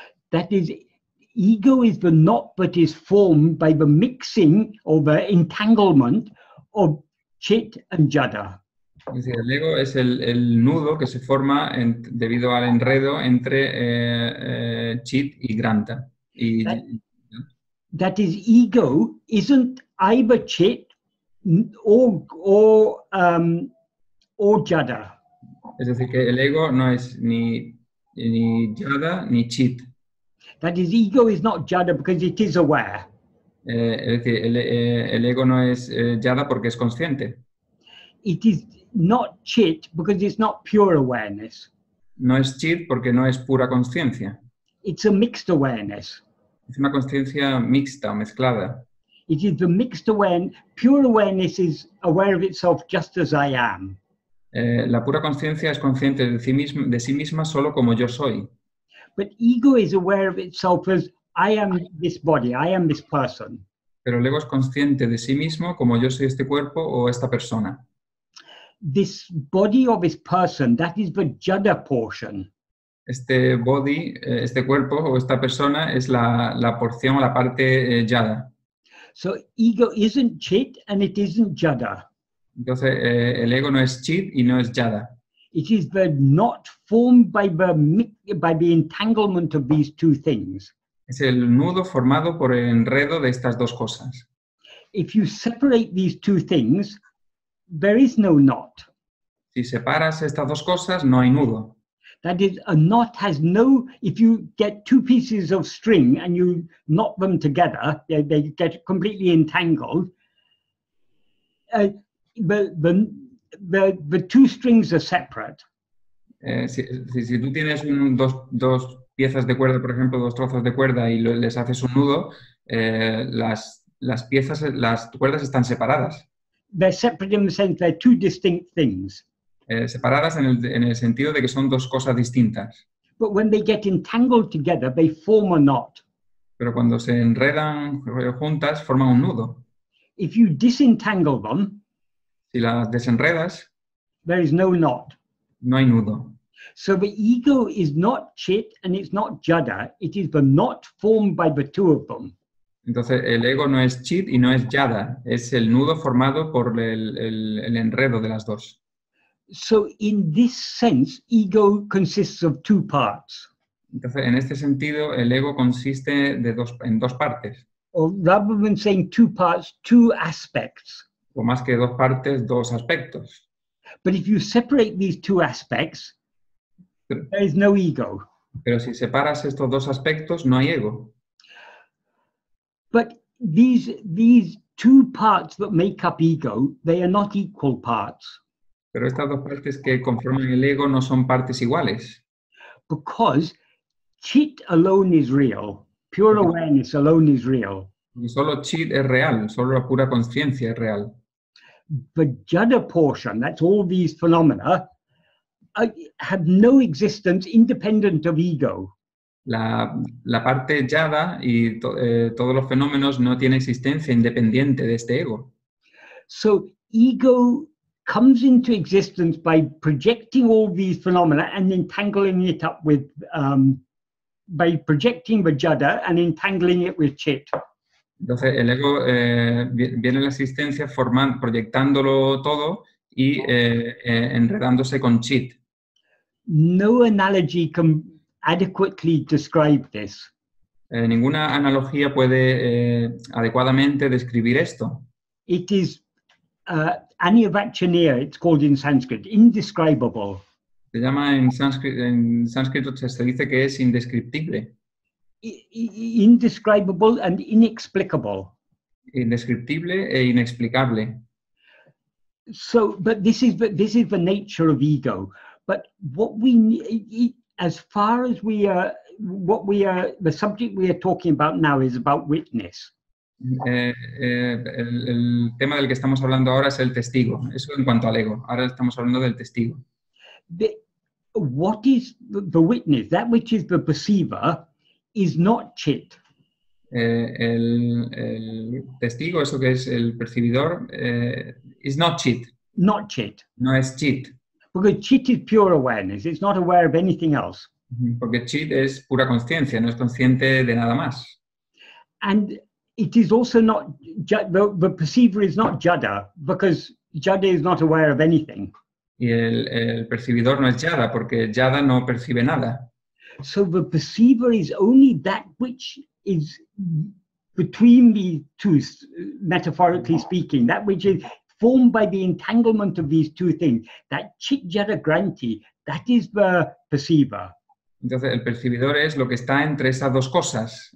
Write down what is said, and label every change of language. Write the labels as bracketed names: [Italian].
[English] That is, ego is the knot that is formed by the mixing or the entanglement of chit and jada. [Spanish] Es decir, el ego es el nudo que se forma debido al enredo entre chit y granta. [English] That is, ego isn't either chit or jada. [Spanish] Es decir, que el ego no es ni jada ni chit. [English] That is, ego is not jada because it is aware. [Spanish] Es decir, el ego no es jada porque es consciente. [English] It is not chit because it's not pure awareness. [Spanish] No es chit porque no es pura consciencia. [English] It's a mixed awareness. [Spanish] Es una conciencia mixta, mezclada. [English] It is the mixed awareness. Pure awareness is aware of itself just as I am. [Spanish] La pura conciencia es consciente de sí misma solo como yo soy. [English] But ego is aware of itself as I am this body, I am this person. [Spanish] Pero el ego es consciente de sí mismo como yo soy este cuerpo o esta persona. [English] This body or this person, that is the jada portion. [Spanish] Este [English] body, [Spanish] este cuerpo o esta persona es la porción o la parte jada. [English] So ego isn't chit and it isn't jada. [Spanish] Entonces el ego no es chit y no es jada. [English] It is the knot formed by the entanglement of these two things. [Spanish] Es el nudo formado por el enredo de estas dos cosas. [English] if you separate these two things, there is no knot. [Spanish] Si separas estas dos cosas, no hay nudo. [English] That is, a knot has no, if you get two pieces of string and you knot them together, they get completely entangled. The two strings are separate. [Spanish] Si tú tienes dos piezas de cuerda, por ejemplo, dos trozos de cuerda y les haces un nudo, las cuerdas están separadas. [English] They're separate in the sense they're two distinct things. [Spanish] Separadas en el sentido de que son dos cosas distintas. [English] But when they get entangled together, they form a knot. [Spanish] Pero cuando se enredan juntas, forman un nudo. [English] If you disentangle them, [Spanish] si las desenredas, [English] there is no knot. [Spanish] No hay nudo. [English] So the ego is not chit and it's not jada. It is the knot formed by the two of them. [Spanish] Entonces el ego no es chit y no es jada. Es el nudo formado por el enredo de las dos. [English] So in this sense, ego consists of two parts. [Spanish] Entonces en este sentido el ego consiste en dos partes. [English] Or rather than saying two parts, two aspects. [Spanish] O más que dos partes, dos aspectos. [English] But if you separate these two aspects, there is no ego. [Spanish] Pero si separas estos dos aspectos, no hay ego. [English] But these two parts that make up ego, they are not equal parts. [Spanish] Pero estas dos partes que conforman el ego no son partes iguales. [English] Because chit alone is real. Pure awareness alone is real. [Spanish] Y solo chit es real, solo la pura conciencia es real. [English] The jada portion, that's all these phenomena, have no existence independent of ego. [Spanish] La parte jada y todos los fenómenos no tiene existencia independiente de este ego. [English] So ego comes into existence by projecting all these phenomena and entangling it up with, by projecting the jada and entangling it with chit. [Spanish] Entonces, el ego viene a la existencia proyectándolo todo y enredándose con chit. [English] No analogy can adequately describe this. [Spanish] Ninguna analogía puede adecuadamente describir esto. [English] It is anivacchaneya, it's called in Sanskrit, indescribable. [Spanish] Se llama en sánscrito, se dice que es indescriptible. [English] Indescribable and inexplicable. [Spanish] Indescriptible e inexplicable. [English] So, but this is the nature of ego. But what we need, as far as we are, what we are, the subject we are talking about now is about witness. [Spanish] El tema del que estamos hablando ahora es el testigo. Eso en cuanto al ego. Ahora estamos hablando del testigo. [English] What is the witness? That which is the perceiver is not chit. [Spanish] El testigo, eso que es el percibidor, [English] is not chit. Not chit. [Spanish] No es chit. [English] Because chit is pure awareness. It's not aware of anything else. [Spanish] Porque chit es pura consciencia. No es consciente de nada más. [English] And it is also not, the perceiver is not jada, because jada is not aware of anything. [Spanish] Y el percibidor no es jada, porque jada no percibe nada. [English] So the perceiver is only that which is between the two, metaphorically speaking, that which is formed by the entanglement of these two things, that chit-jada granti, that is the perceiver. [Spanish] Entonces, el percibidor es lo que está entre esas dos cosas.